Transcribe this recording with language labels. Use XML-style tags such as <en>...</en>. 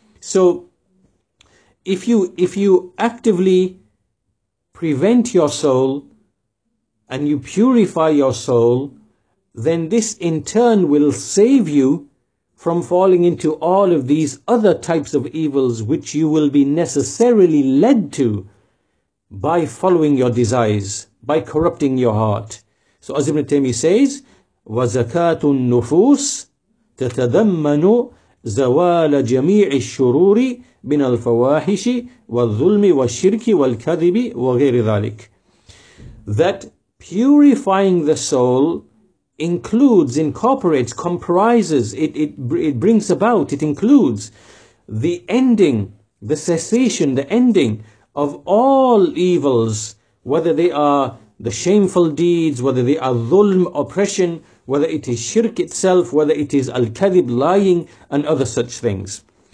<en>So if you actively prevent your soul and you purify your soul, then this in turn will save you from falling into all of these other types of evils, which you will be necessarily led to by following your desires, by corrupting your heart. So as Ibn Taymiyyah says,</en> <ar>وَزَكَاتُ النُّفُوسِ تَتَذَمَّنُ زَوَالَ جَمِيعِ الشُّرُورِ مِنَ الْفَوَاحِشِ وَالظُّلْمِ وَالشِّرْكِ وَالْكَذِبِ وَغَيْرِ ذَلِكِ.</ar> <en>That purifying the soul includes, incorporates, comprises, it brings about, it includes the ending, the cessation, the ending of all evils, whether they are the shameful deeds, whether they are dhulm, oppression, whether it is shirk itself, whether it is al-kadhib, lying, and other such things.</en>